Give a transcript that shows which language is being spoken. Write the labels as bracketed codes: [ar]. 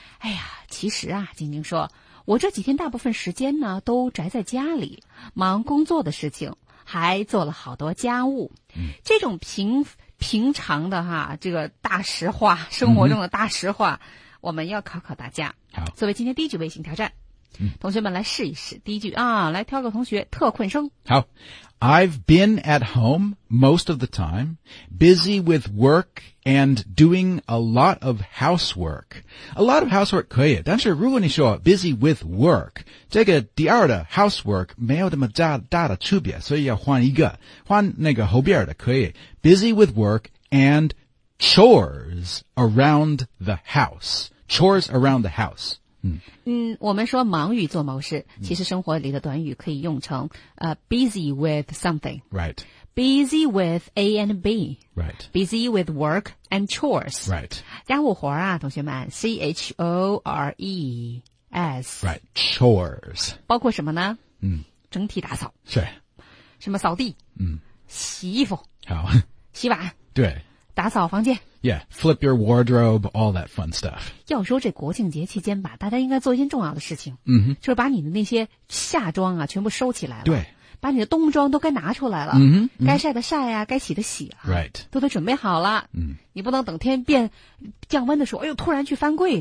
[zh] 哎呀，其实啊，晶晶说，我这几天大部分时间呢都宅在家里，忙工作的事情，还做了好多家务。 [en] Mm-hmm. [zh] 这种平常的哈，这个大实话，生活中的大实话、嗯、我们要考考大家。好，作为今天第一句微信挑战、嗯、同学们来试一试第一句啊，来挑个同学特困生。 [en] 好， I've been at home most of the time, busy with work and doing a lot of housework. [zh] A lot of housework 可以，但是如果你说 [en] busy with work, [zh] 这个第二的 housework 没有那么 大的区别，所以要换一个，换那个后边的可以。 [en] Busy with work and chores around the house. Chores around the house. 嗯, [zh] 我们说忙于做某事，其实生活里的短语可以用成、busy with something. [en] Right. Busy with A and B. Right. Busy with work and chores. Right. [zh] 家务活啊，同学们 ,C-H-O-R-E-S. [en] Right. Chores. [zh] 包括什么呢、嗯、整体打扫。是。什么扫地。嗯。洗衣服。好。洗碗。对。打扫房间。 [en] Yeah, flip your wardrobe, all that fun stuff. [zh] 要说这国庆节期间吧，大家应该做一件重要的事情。嗯哼。就是把你的那些夏装啊全部收起来了。对。把你的冬装都该拿出来了。嗯哼。该晒的晒啊，该洗的洗啊。 [en] Right. [zh] 都得准备好了。嗯、mm-hmm.。你不能等天变降温的时候哎呦突然去翻柜。